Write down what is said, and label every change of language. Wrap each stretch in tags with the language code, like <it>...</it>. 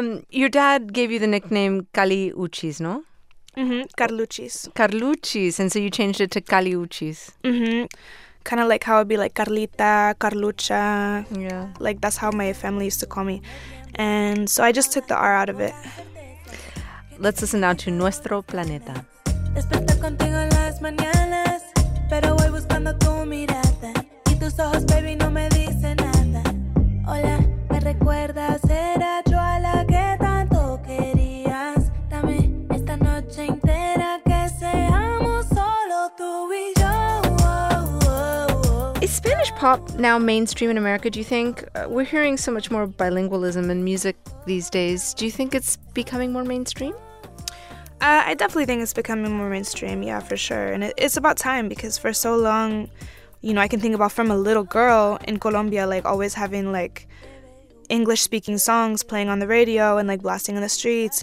<en>Your dad gave you the nickname Cali Uchis, no? Mm-hmm. Carluchis. Carluchis. And so you changed it to Cali Uchis. Mm-hmm. Kind of like how it'd be like Carlita, Carlucha. Yeah. Like, that's how my family used to call me. And so I just took the R out of it. Let's listen now to Nuestro Planeta.</en> <es>Desperté contigo las mañanas, pero voy buscando tu mirada. Y tus ojos, baby, no me dicen nada. Hola, me recuerdas, era yo a la que tanto querías. Dame esta noche entera que seamos solo tú y yo.</es> <en>Spanish pop now mainstream in America, do you think? We're hearing so much more bilingualism in music these days. Do you think it's becoming more mainstream? I definitely think it's becoming more mainstream, yeah, for sure. And it's about time, because for so long, you know, I can think about from a little girl in Colombia, like, always having, like, English-speaking songs playing on the radio and, like, blasting in the streets.</en>